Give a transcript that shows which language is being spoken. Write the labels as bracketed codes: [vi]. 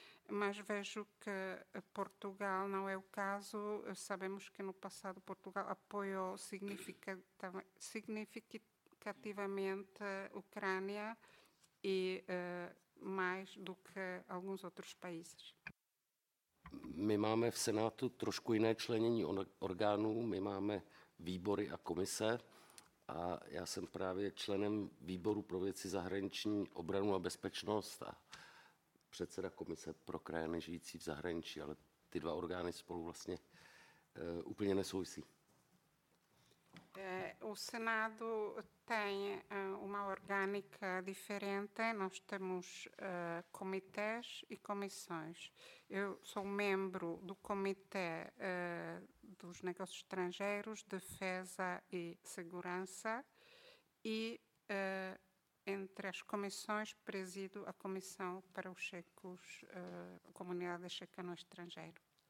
[pt] Mas vejo que Portugal não é o caso. Sabemos que no passado Portugal apoiou significativamente a Ucrânia e mais do que alguns outros países. [cs] My máme v Senátu trošku jiné členění orgánů. My máme výbory a komise. A já jsem právě členem výboru pro věci zahraniční, obranu a bezpečnost a předseda komise pro krajany žijící v zahraničí, ale ty dva orgány spolu vlastně úplně nesouvisí. [pt] O Senado tem uma orgânica diferente, nós temos comitês e comissões. Eu sou membro do Comitê dos Negócios Estrangeiros, Defesa e Segurança e entre as comissões, presido a Comissão para os Checos, a Comunidade Checa no Estrangeiro.